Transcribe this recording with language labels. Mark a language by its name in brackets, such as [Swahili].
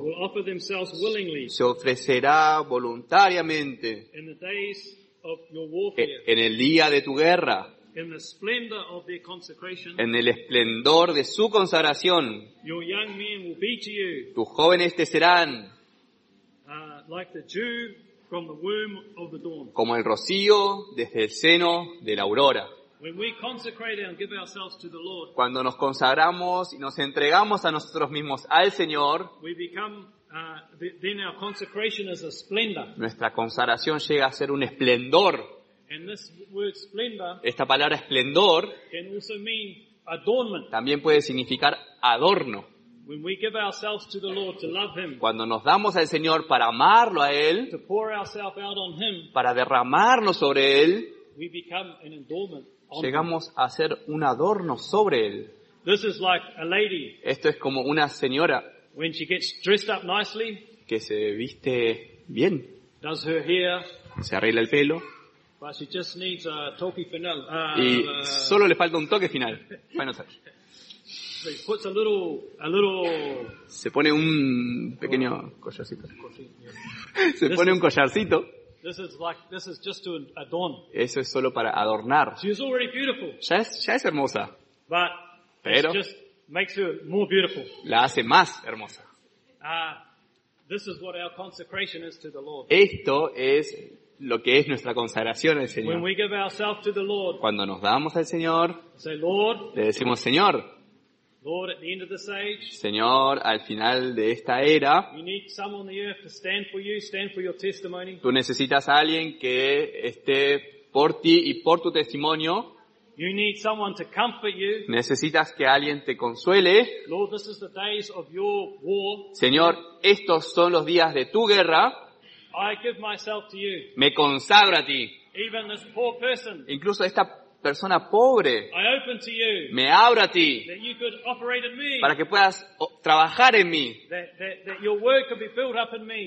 [English] will offer themselves willingly, [Spanish] se ofrecerá voluntariamente, [English] in the days of your warfare, [Spanish] en el día de tu guerra. [English] In the splendor of their consecration, [Spanish] en el esplendor de su consagración, [English] your young men will be to you, [Spanish] tus jóvenes te serán [English] like the dew from the womb of the dawn, [Spanish] como el rocío desde el seno de la aurora. [English] When we consecrate and give ourselves to the Lord, [Spanish] cuando nos consagramos y nos entregamos a nosotros mismos al Señor, [English] we become, then our consecration is a splendor. [Spanish] Nuestra consagración llega a ser un esplendor. [English] And this word splendor, [Spanish] esta palabra esplendor, [English] can also mean adornment. [Spanish] También puede significar adorno. [English] When we give ourselves to the Lord to love him, [Spanish] cuando nos damos al Señor para amarlo a él, [English] to pour ourselves out on him, [Spanish] para derramarnos sobre él, [English] we become an adornment on [Spanish] llegamos [English] him. [Spanish] A ser un adorno sobre él. [English] This is like a lady, [Spanish] esto es como una señora, [English] when she gets dressed up nicely, [Spanish] que se viste bien, [English] does her hair, [Spanish] se arregla el pelo. [English] But she just needs a [Spanish] toque final. Y solo le falta un toque final. [English] Final touch. She puts a little. [Spanish] Se pone un pequeño collarcito. Se pone un collarcito. [English] This is just to adorn. [Spanish] Eso es solo para adornar. [English] She's already beautiful. [Spanish] Ya es hermosa. [English] But [Spanish] pero [English] it just makes her more beautiful. [Spanish] La hace más hermosa. [English] This is what our consecration is to the Lord. [Spanish] Esto es lo que es nuestra consagración al Señor. [English] When we give ourselves to the Lord, [Spanish] cuando nos damos al Señor, [English] say, Lord, [Spanish] le decimos, Señor, [English] Lord, at the end of this age, [Spanish] Señor, al final de esta era, [English] you need someone on the earth to stand for you, stand for your testimony. [Spanish] Tú necesitas a alguien que esté por ti y por tu testimonio. [English] You need someone to comfort you. [Spanish] Necesitas que alguien te consuele. [English] Lord, this is the days of your war. [Spanish] Señor, estos son los días de tu guerra. [English] I give myself to you. [Spanish] Me consagro a ti. [English] Even this poor person, [Spanish] incluso esta persona pobre, [English] I open to you, [Spanish] me abro a ti, [English] that you could operate in me, [Spanish] para que puedas trabajar en mí, [English] that your word could be built up in me,